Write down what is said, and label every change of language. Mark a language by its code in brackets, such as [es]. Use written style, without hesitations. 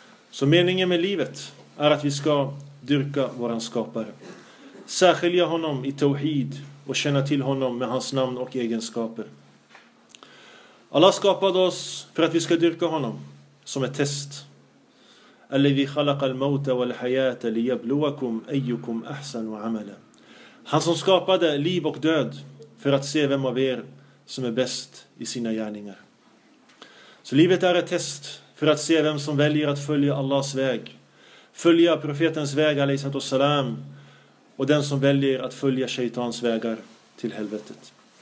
[sv] Så meningen med livet är att vi ska dyrka våran skapare. Särskilja honom i tawhid och känna till honom med hans namn och egenskaper. Allah skapade oss för att vi ska dyrka honom som ett test. [ar] الذي خلق الموت والحياة ليبلوكم أيكم أحسن عملا. [sv] Han som skapade liv och död för att se vem av er som är bäst i sina gärningar. Så livet är ett test för att se vem som väljer att följa Allahs väg, följa profetens väg alaihissalatu wassalam, och den som väljer att följa shaitans vägar till helvetet.